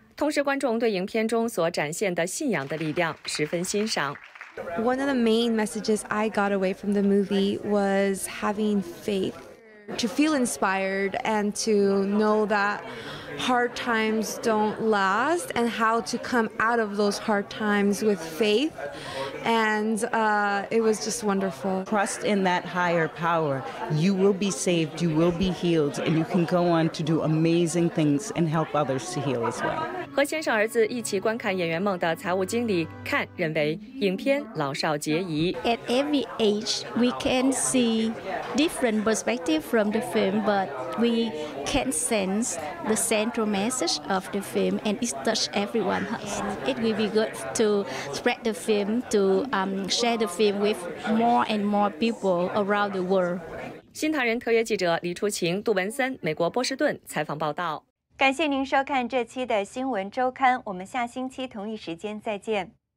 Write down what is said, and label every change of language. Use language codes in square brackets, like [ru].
[zh] 同时观众对影片中所展现的信仰的力量十分欣赏。 [en] One of the main messages I got away from the movie was having faith. To feel inspired and to know that hard times don't last and how to come out of those hard times with faith. And it was just wonderful. Trust in that higher power. You will be saved, you will be healed, and you can go on to do amazing things and help others to heal as well. [zh] 和先生儿子一起观看演员梦的财务经理看认为影片老少皆宜。 [en] At every age, we can see different perspectives from the film, but we can sense the central message of the film and it touched everyone's heart. It will be good to spread the film, to share the film with more and more people around the world. [zh] 新唐人特约记者李初晴、杜文森，美国波士顿采访报道。感谢您收看这期的新闻周刊，我们下星期同一时间再见。